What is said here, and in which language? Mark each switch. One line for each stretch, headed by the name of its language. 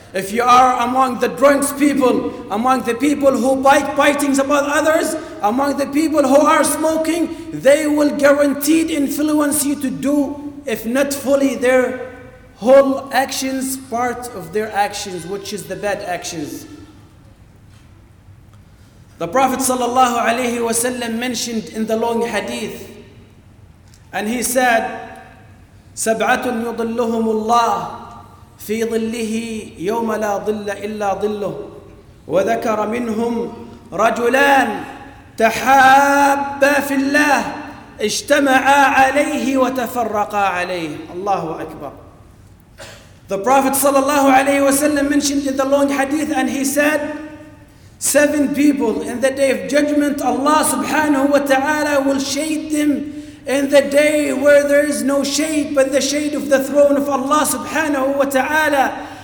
English: If you are among the drunks people, among the people who bite bitings about others, among the people who are smoking, they will guaranteed influence you to do, if not fully, their whole actions, part of their actions, which is the bad actions. The Prophet sallallahu alaihi wasallam mentioned in the long hadith, and he said,
Arabic: سَبْعَةٌ يُضِلُّهُمُ اللَّهُ فِي ظِلِّهِ يَوْمَ لَا ظِلَّ إِلَّا ظِلُّهُ وَذَكَرَ مِنْهُمْ رَجُلَانِ تَحَابَّا فِي اللَّهِ اجْتَمَعَا عَلَيْهِ وَتَفَرَّقَا عَلَيْهِ. الله أكبر.
English: The Prophet sallallahu alayhi wasallam mentioned in the long hadith, and he said, seven people in the Day of Judgment, Allah subhanahu wa ta'ala will shade them in the day where there is no shade but the shade of the throne of Allah subhanahu wa ta'ala.